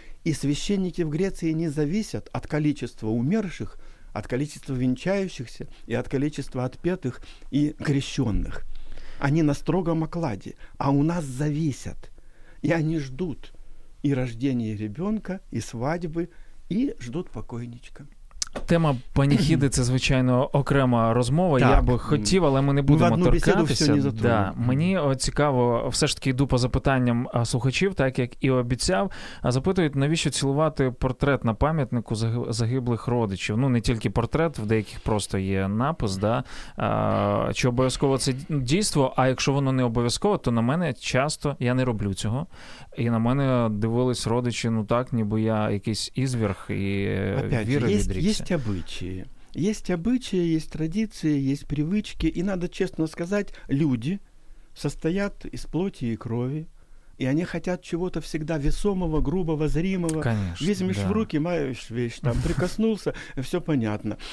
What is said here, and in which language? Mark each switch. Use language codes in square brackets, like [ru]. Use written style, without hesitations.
[ru] И священники в Греции не зависят от количества умерших, от количества венчающихся и от количества отпетых и крещенных. Они на строгом окладе, а у нас зависят. И они ждут и рождения ребенка, и свадьбы, и ждут покойничка. [uk] Тема панихиди – це, звичайно, окрема розмова. Так. Я би хотів, але ми не будемо торкатися. [ru] Да. [uk] Мені цікаво, все ж таки йду по запитанням слухачів, так як і обіцяв. Запитують, навіщо цілувати портрет на пам'ятнику загиблих родичів? Ну, не тільки портрет, в деяких просто є напис. Да? Чи обов'язково це дійство? А якщо воно не обов'язково, то на мене часто, я не роблю цього, і на мене дивились родичі, ну так, ніби я якийсь ізверх і віра відрік. [ru] Есть обычаи. Есть обычаи, есть традиции, есть привычки. И надо честно сказать, люди состоят из плоти и крови. И они хотят чего-то всегда весомого, грубого, зримого. Конечно, Возьмешь да. в руки, маешь вещь, там, прикоснулся, все понятно.